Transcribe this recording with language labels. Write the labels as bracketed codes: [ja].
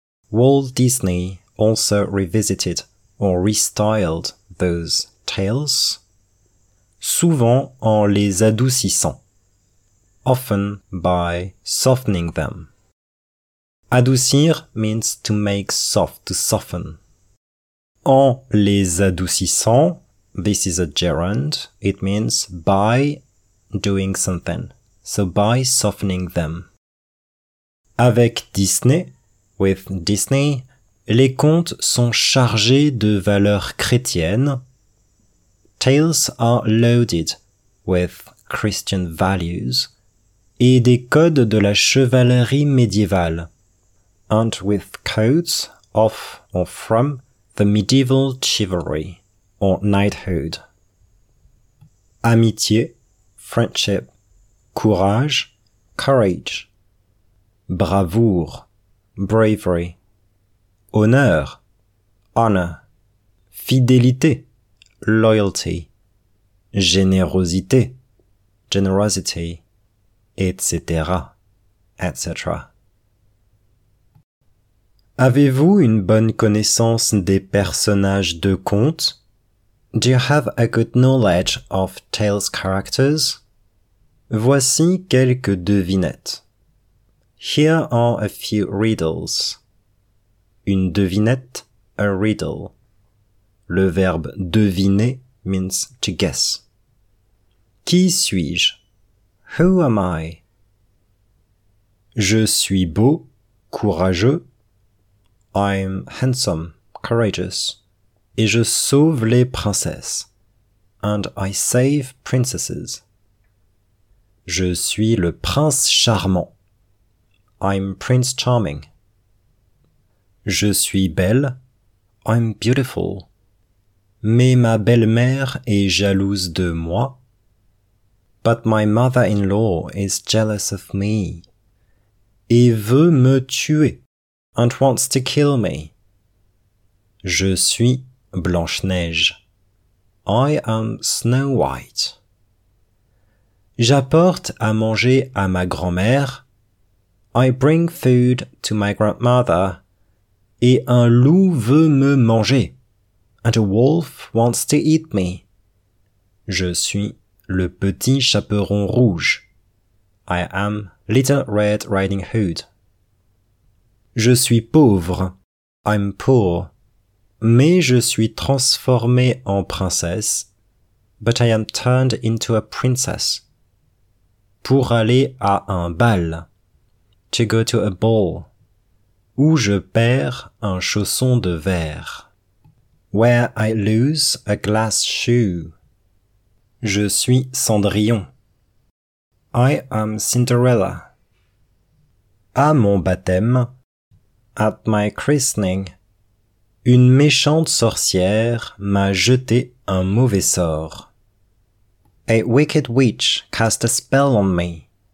[en] Walt Disney also revisited or restyled those tales, [fr] souvent en les adoucissant, [en] often by softening them. Adoucir means to make soft, to soften. [fr] En les adoucissant, [en] this is a gerund, it means by doing something. So by softening them. [fr] Avec Disney, [en] with Disney, [fr] les contes sont chargés de valeurs chrétiennes. [en] Tales are loaded with Christian values [fr] et des codes de la chevalerie médiévale. [en] And with codes of or from the medieval chivalry or knighthood. Amitié, friendship. Courage, courage. Bravoure, bravery. Honneur, honor. Fidélité, loyalty. Générosité, generosity. Etc. Etc. [fr] Avez-vous une bonne connaissance des personnages de contes? [en] Do you have a good knowledge of tales characters? [fr] Voici quelques devinettes. [en] Here are a few riddles. [fr] Une devinette, [en] a riddle. [fr] Le verbe deviner [en] means to guess. [fr] Qui suis-je? [en] Who am I? [fr] Je suis beau, courageux. [en] I'm handsome, courageous. [fr] Et je sauve les princesses. [en] And I save princesses. [fr] Je suis le prince charmant. [en] I'm Prince Charming. [fr] Je suis belle. [en] I'm beautiful. [fr] Mais ma belle-mère est jalouse de moi. [en] But my mother-in-law is jealous of me. [fr] Et veut me tuer. [en] And wants to kill me. [fr] Je suis Blanche-Neige. [en] I am Snow White. [fr] J'apporte à manger à ma grand-mère. [en] I bring food to my grandmother. [fr] Et un loup veut me manger. [en] And a wolf wants to eat me. [fr] Je suis le petit chaperon rouge. [en] I am Little Red Riding Hood. [fr] Je suis pauvre. [en] I'm poor. [fr] Mais je suis transformé en princesse. [en] But I am turned into a princess. [fr] Pour aller à un bal. [en] To go to a ball. [fr] Où je perds un chausson de verre. [en] Where I lose a glass shoe. [fr] Je suis Cendrillon. [en] I am Cinderella. [fr] À mon baptême. [en] At my christening. [fr] Une méchante sorcière m'a jeté un mauvais sort. [en] A wicked witch cast a spell on me.